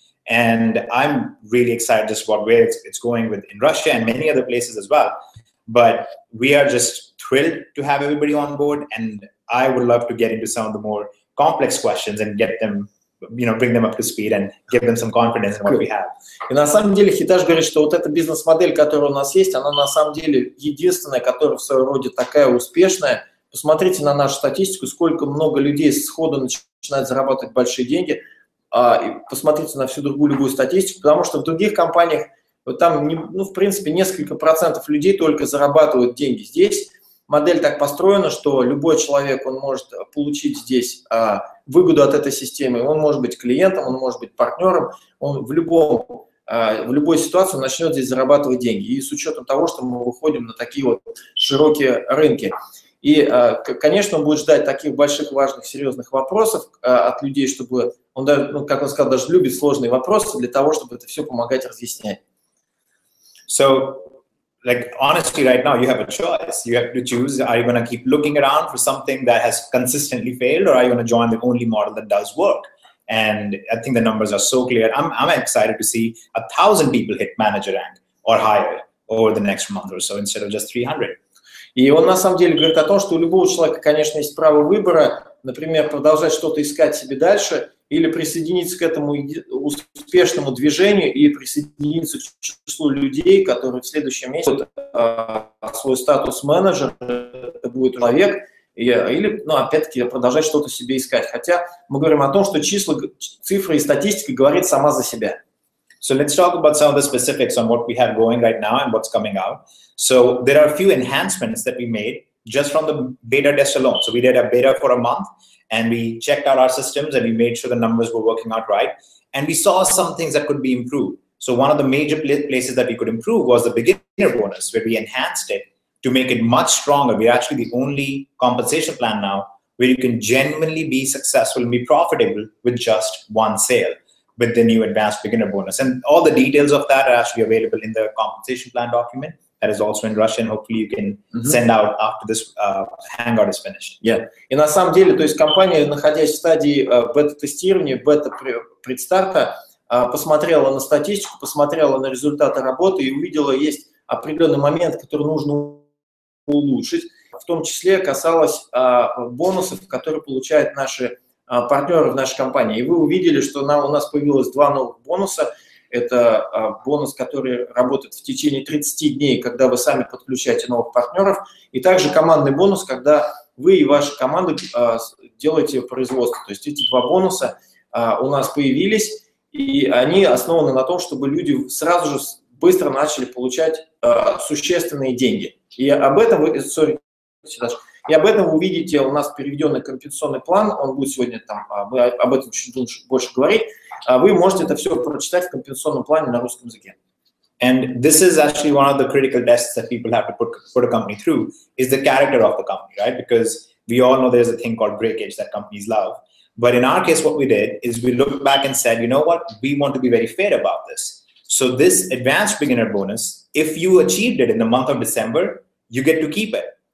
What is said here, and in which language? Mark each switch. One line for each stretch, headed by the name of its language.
English: And I'm really excited just about where it's going with in Russia and many other places as well. But we are just thrilled to have everybody on board. And I would love to get into some of the more complex questions and get them, you know, bring them up to speed and give them some confidence in what we have.
Russian: И на самом деле Хитаж говорит, что вот эта бизнес-модель, которая у нас есть, она на самом деле единственная, которая в своем роде такая успешная. Посмотрите на нашу статистику, сколько много людей сходу начинают зарабатывать большие деньги. И посмотрите на всю другую любую статистику, потому что в других компаниях вот там, ну, в принципе, несколько процентов людей только зарабатывают деньги. Здесь модель так построена, что любой человек, он может получить здесь выгоду от этой системы. Он может быть клиентом, он может быть партнером, он в любой ситуации начнет здесь зарабатывать деньги. И с учетом того, что мы выходим на такие вот широкие рынки. И, конечно, он будет ждать таких больших, важных, серьезных вопросов от людей, чтобы он, даже, ну, как он сказал, даже любит сложные вопросы для того, чтобы это все помогать разъяснять.
English: So, like, honestly, right now you have a choice. You have to choose, are you going to keep looking around for something that has consistently failed, or are you going to join the only model that does work? And I think the numbers are so clear. I'm excited to see 1,000 people hit manager rank or higher over the next month or so instead of just 300.
Russian: И он на самом деле говорит о том, что у любого человека, конечно, есть право выбора, например, продолжать что-то искать себе дальше или присоединиться к этому успешному движению и присоединиться к числу людей, которые в следующем месяце свой статус менеджера, это будет человек, или, ну, опять-таки, продолжать что-то себе искать. Хотя мы говорим о том, что числа, цифры и статистика говорит сама за себя.
English: So let's talk about some of the specifics on what we have going right now and what's coming out. So there are a few enhancements that we made just from the beta test alone. So we did a beta for a month and we checked out our systems and we made sure the numbers were working out right. And we saw some things that could be improved. So one of the major places that we could improve was the beginner bonus, where we enhanced it to make it much stronger. We're actually the only compensation plan now where you can genuinely be successful and be profitable with just one sale with the new advanced beginner bonus. And all the details of that are actually available in the compensation plan document. That is also in Russian. Hopefully you can send out after this hangout is finished. Yeah.
Russian: И на самом деле, то есть компания, находясь в стадии бета-тестирования, бета-предстарта, посмотрела на статистику, посмотрела на результаты работы и увидела, есть определенный момент, который нужно улучшить. В том числе касалось бонусов, которые получают наши партнеры в нашей компании. И вы увидели, что у нас появилось два новых бонуса. Это бонус, который работает в течение 30 дней, когда вы сами подключаете новых партнеров. И также командный бонус, когда вы и ваша команда делаете производство. То есть эти два бонуса у нас появились, и они основаны на том, чтобы люди сразу же быстро начали получать существенные деньги. И об этом вы, увидите, у нас переведенный компенсационный план, он будет сегодня там, мы об этом чуть больше говорить. Вы можете это все прочитать в компенсационном плане на русском языке.
English: And this is actually one of the critical tests that people have to put a company through, is the character of the company, right? Because we all know there's a thing called breakage that companies love. But in our case, what we did is we looked back and said, you know what, we want to be very fair about this. So this advanced beginner bonus, if you achieved it in the month of December, you get to keep it.